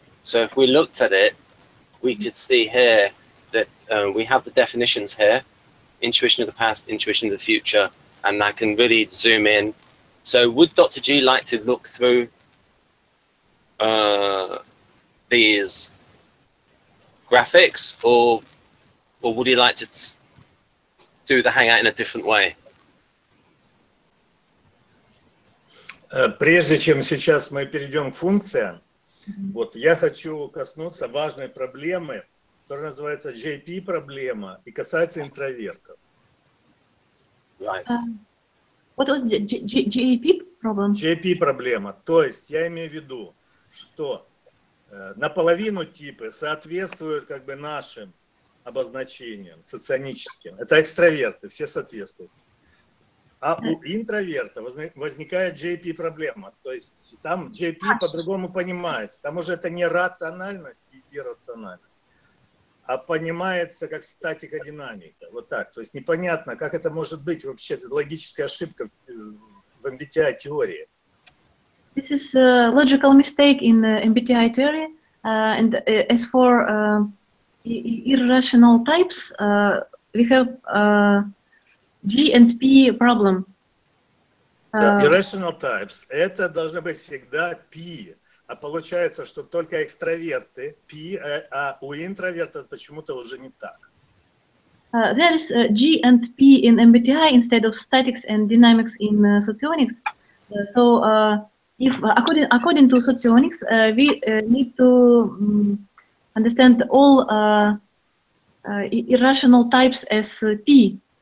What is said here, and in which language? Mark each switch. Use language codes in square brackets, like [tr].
[en] So if we looked at it, we could see here that we have the definitions here, intuition of the past, intuition of the future, and I can really zoom in. So would Dr. G like to look through these graphics, or would he like to do the hangout in a different way? [ru] Прежде чем сейчас мы перейдем к функциям, вот я хочу коснуться важной проблемы, которая называется JP-проблема и касается интровертов. [en] What was JP-проблема? [ru] JP-проблема. То есть я имею в виду, что наполовину типы соответствуют как бы нашим обозначениям соционическим. Это экстраверты, все соответствуют. А у интроверта возникает JP-проблема, то есть там JP по-другому понимается. Там уже это не рациональность и иррациональность, а понимается как статика-динамика. Вот так. То есть непонятно, как это может быть вообще, это логическая ошибка в MBTI-теории. [en] This is a logical mistake in [ru] MBTI-теории. [en] And as for irrational types, we have... G and P problem. Да, irrational types. [ru] Это должно быть всегда P. А получается, что только экстраверты P, а у интроверта почему-то уже не так. [en] There is G and P in MBTI instead of statics and dynamics in socionics. So if according to socionics, we need to understand all irrational types as P.